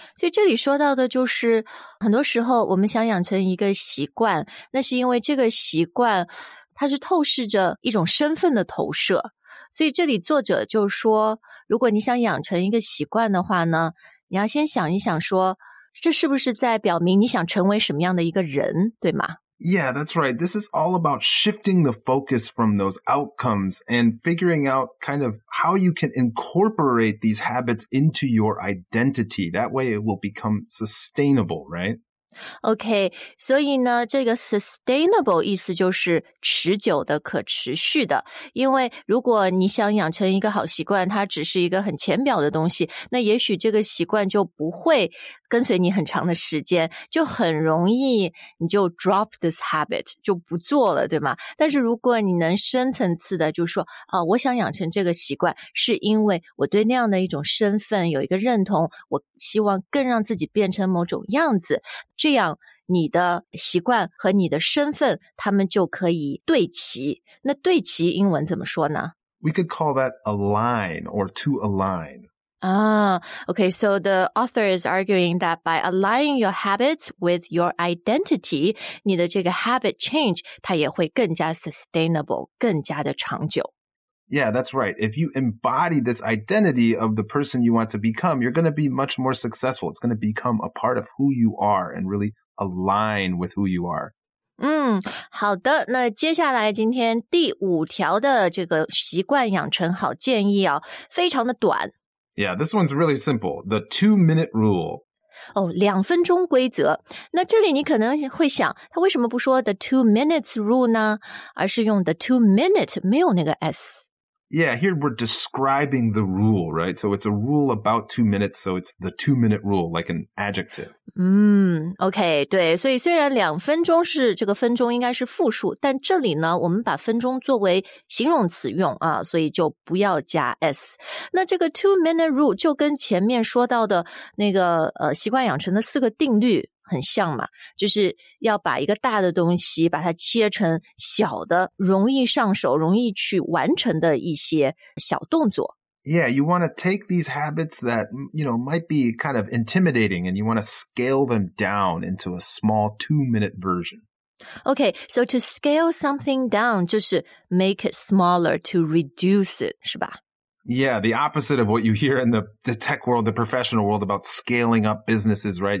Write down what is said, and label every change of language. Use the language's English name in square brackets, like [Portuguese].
[Chinese] 所以这里说到的就是很多时候我们想养成一个习惯，那是因为这个习惯它是透视着一种身份的投射。所以这里作者就说，如果你想养成一个习惯的话呢，你要先想一想说，这是不是在表明你想成为什么样的一个人，对吗？ [English] Yeah, that's right. This is all about shifting the focus from those outcomes and figuring out kind of how you can incorporate these habits into your identity. That way it will become sustainable, right? [Chinese] Okay, 所以呢这个 sustainable 意思就是持久的可持续的。因为如果你想养成一个好习惯，它只是一个很浅表的东西，那也许这个习惯就不会跟随你很长的时间，就很容易你就 [English] drop this habit, [Chinese] 就不做了，对吗？但是如果你能深层次的就说，哦，我想养成这个习惯，是因为我对那样的一种身份有一个认同，我希望更让自己变成某种样子，这样你的习惯和你的身份，他们就可以对齐。那对齐英文怎么说呢？ [English] We could call that align or to align. Okay, so the author is arguing that by aligning your habits with your identity, [Chinese] 你的这个 [English] habit change, [Chinese] 它也会更加 [English] sustainable, [Chinese] 更加的长久。 [English] Yeah, that's right. If you embody this identity of the person you want to become, you're going to be much more successful. It's going to become a part of who you are and really align with who you are. [Chinese] 嗯，好的，那接下来今天第五条的这个习惯养成好建议啊，非常的短。 [English] Yeah, this one's really simple. The 2-minute rule. [Chinese] 哦，两分钟规则。那这里你可能会想，他为什么不说 [English] the 2 minutes rule [Chinese] 呢？而是用 [English] the 2 minute, [Chinese] 没有那个 S. [English] Yeah, here we're describing the rule, right? So it's a rule about 2 minutes, so it's the 2-minute rule, like an adjective. [Chinese] Okay, 对，所以虽然两分钟是这个分钟应该是复数，但这里呢，我们把分钟作为形容词用啊，所以就不要加 S. 那这个 2-minute rule 就跟前面说到的那个习惯养成的四个定律很像嘛，就是要把一个大的东西把它切成小的容易上手容易去完成的一些小动作。 [English] Yeah, you want to take these habits that, you know, might be kind of intimidating and you want to scale them down into a small 2-minute version. Okay, so to scale something down [Chinese] 就是 [English] make it smaller to reduce it, [Chinese] 是吧？ [English] Yeah, the opposite of what you hear in the tech world, the professional world about scaling up businesses, right?